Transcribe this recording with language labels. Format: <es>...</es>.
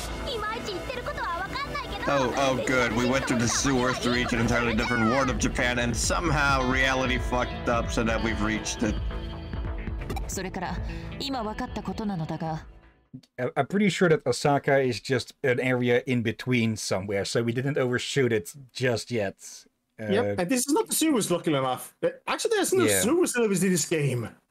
<ja>いまいち言ってることは分かんないけど。</ja> <en>Oh, good. We went to the sewer to reach an entirely different world of Japan, and somehow reality fucked up so that we've reached it.</en> <ja>それから今分かったことなのだが。</ja> <en>I'm pretty sure that Osaka is just an area in between somewhere, so we didn't overshoot it just yet. Yep, and this is not the sewers, luckily enough. Actually, there's no sewer service in this game.</en>